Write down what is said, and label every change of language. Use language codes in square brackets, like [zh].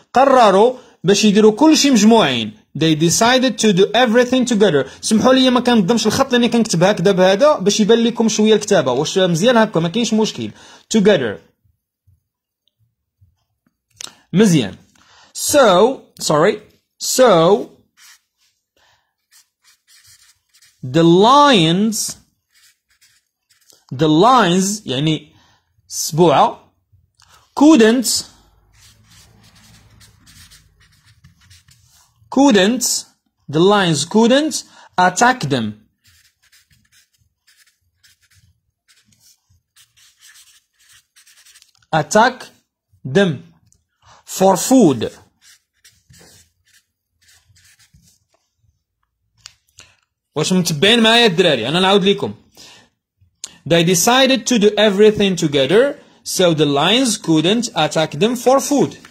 [ar] قرروا باش يديروا كل شيء مجموعين. [en] They decided to do everything together. [ar] سمحوا لي ما كنظمش الخط لاني كنكتب هكذا بهذا باش يبان لكم شويه الكتابه. واش مزيان هكا؟ ما كاينش مشكل. Together مزيان. [en] So the lions [ar] يعني سبوعه [en] couldn't the lions couldn't attack them. Attack them for food. [ar] واش متبعين معايا الدراري؟ انا نعاود لكم. [en] They decided to do everything together so the lions couldn't attack them for food.